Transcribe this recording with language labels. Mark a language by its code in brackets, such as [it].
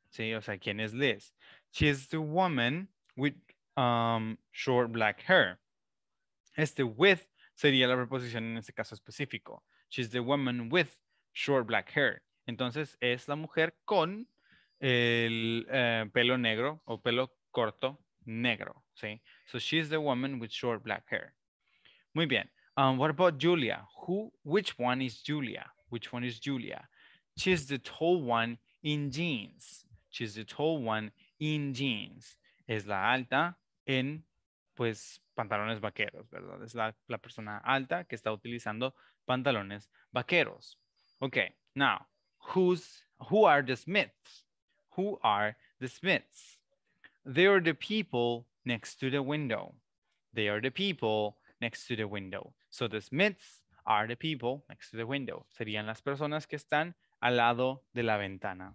[es] Sí, o sea, ¿quién es Liz? [en] She's the woman with short black hair. [es] Este with sería la preposición en este caso específico. [en] She's the woman with short black hair. [es] Entonces, es la mujer con el pelo negro o pelo corto negro, ¿sí? [en] So, she's the woman with short black hair. [es] Muy bien. [en] What about Julia? Which one is Julia? Which one is Julia? She's the tall one in jeans. She's the tall one in jeans. [es] Es la alta en, pues, pantalones vaqueros, ¿verdad? Es la persona alta que está utilizando pantalones vaqueros. [en] Okay, now, who are the Smiths? Who are the Smiths? They are the people next to the window. They are the people next to the window. So the Smiths are the people next to the window. [es] Serían las personas que están al lado de la ventana.